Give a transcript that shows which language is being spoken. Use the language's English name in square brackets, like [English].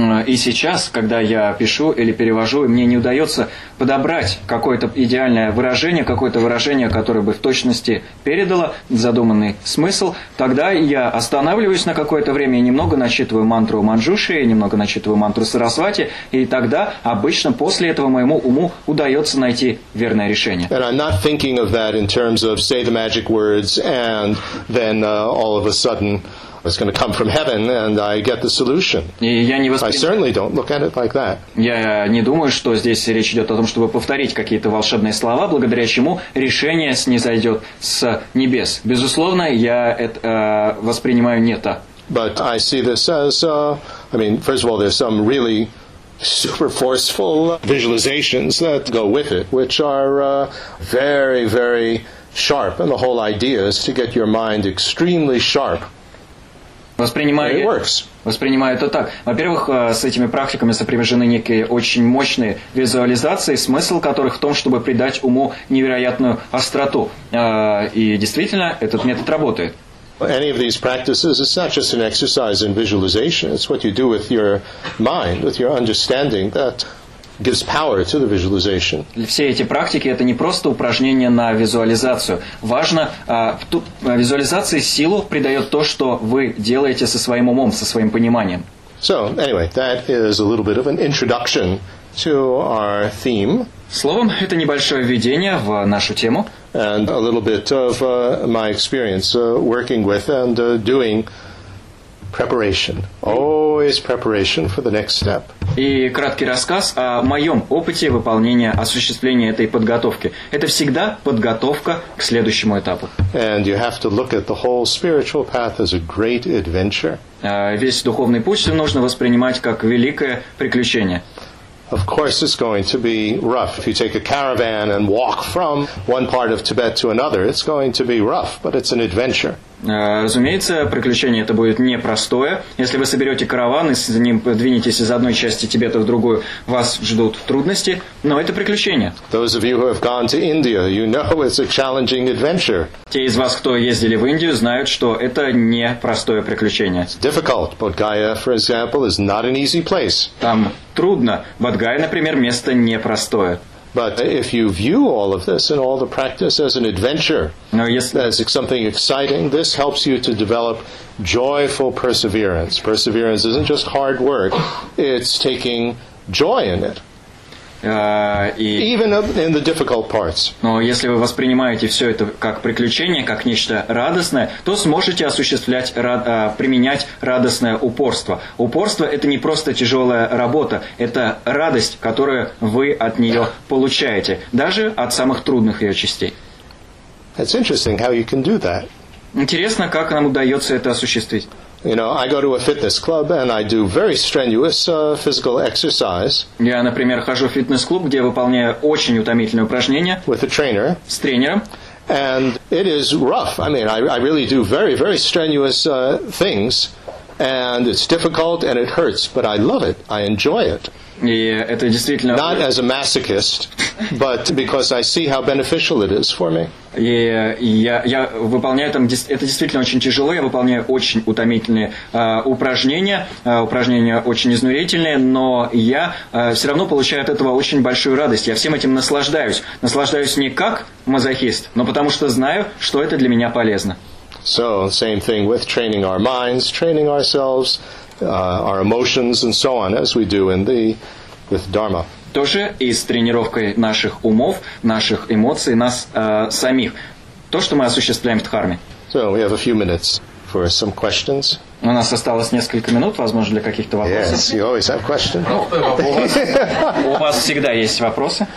[Russian] И сейчас, когда я пишу или перевожу, мне не удается подобрать какое-то идеальное выражение, какое-то выражение, которое бы в точности передало задуманный смысл, тогда я останавливаюсь на какое-то время и немного начитываю мантру Манджуши, немного начитываю мантру Сарасвати, и тогда обычно после этого моему уму удается найти верное решение. [English] And I'm not thinking of that in terms of say the magic words and then all of a sudden it's going to come from heaven, and I get the solution. I certainly don't look at it like that. [Russian] Я не думаю, что здесь речь идет о том, чтобы повторить какие-то волшебные слова, благодаря чему решение снизойдет с небес. Безусловно, я это воспринимаю не так. [English] But I see this as, I mean, first of all, there's some really super forceful visualizations that go with it, which are very, very sharp, and the whole idea is to get your mind extremely sharp. [Russian] Воспринимаю это так. Во-первых, с этими практиками сопряжены некие очень мощные визуализации, смысл которых в том, чтобы придать уму невероятную остроту. И действительно, этот метод работает. [English] Any of these practices, it's not just an exercise in visualization, it's what you do with your mind, with your understanding that gives power to the visualization. [Russian] Все эти практики – это не просто упражнение на визуализацию. Важно, визуализации силу придает то, что вы делаете со своим умом, со своим пониманием. [English] So, anyway, that is a little bit of an introduction to our theme. [Russian] Словом, это небольшое введение в нашу тему. [English] And a little bit of my experience working with and doing preparation. Always preparation for the next step. [Russian] И краткий рассказ о моем опыте выполнения, осуществления этой подготовки. Это всегда подготовка к следующему этапу. [English] And you have to look at the whole spiritual path as a great adventure. [Russian] Весь духовный путь нужно воспринимать как великое приключение. [English] Of course, it's going to be rough. If you take a caravan and walk from one part of Tibet to another, it's going to be rough, but it's an adventure. [Russian] Разумеется, приключение это будет непростое. Если вы соберете караван и с ним подвинетесь из одной части Тибета в другую, вас ждут трудности, но это приключение. [English] Those of you who have gone to India, you know it's a challenging adventure. [Russian] Те из вас, кто ездили в Индию, знают, что это непростое приключение. [English] It's difficult. Бодхгая, for example, is not an easy place. [Russian] Там трудно. Бодхгая, например, место непростое. [English] But if you view all of this and all the practice as an adventure, as something exciting, this helps you to develop joyful perseverance. Perseverance isn't just hard work, it's taking joy in it. Even in the difficult parts. [Russian] Но если вы воспринимаете все это как приключение, как нечто радостное, то сможете осуществлять, применять радостное упорство. Упорство – это не просто тяжелая работа, это радость, которую вы от нее получаете, даже от самых трудных ее частей. [English] It's interesting how you can do that. [Russian] Интересно, как нам удается это осуществить. [English] You know, I go to a fitness club and I do very strenuous physical exercise. [Russian] Я, например, хожу в фитнес-клуб, где выполняю очень утомительные упражнения. [English] With a trainer. [Russian] С тренером. [English] And it is rough. I mean, I really do very, very strenuous things, and it's difficult and it hurts, but I love it. I enjoy it. [Russian] И это действительно. [English] Not as a masochist, but because I see how beneficial it is for me. [Russian] И я выполняю там, это действительно очень тяжело, я выполняю очень утомительные упражнения, упражнения очень изнурительные, но я все равно получаю от этого очень большую радость, я всем этим наслаждаюсь. Наслаждаюсь не как мазохист, но потому что знаю, что это для меня полезно. [English] So, same thing with training our minds, training ourselves, our emotions and so on, as we do in the, with Dharma. [Russian] Тоже и с тренировкой наших умов, наших эмоций, нас самих. То, что мы осуществляем в Дхарме. [English] So we have a few minutes for some questions. [Russian] У нас осталось несколько минут, возможно, для каких-то вопросов. [English] Yes, you always have questions. [Russian] У вас всегда есть вопросы.